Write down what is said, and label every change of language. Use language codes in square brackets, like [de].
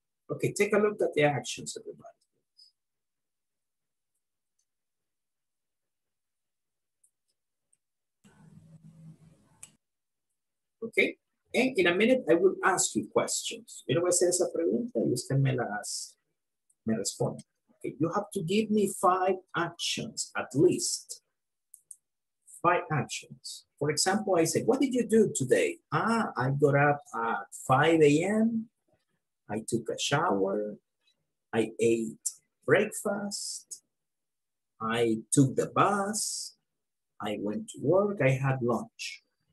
[en] Okay, take a look at the actions, everybody. Okay, and in a minute, I will ask you questions. [es] Yo le voy a hacer esa pregunta y usted me las me responde. [en] Okay, you have to give me five actions, at least. Five actions. For example, I say, what did you do today? Ah, I got up at 5 a.m. I took a shower, I ate breakfast, I took the bus, I went to work, I had lunch.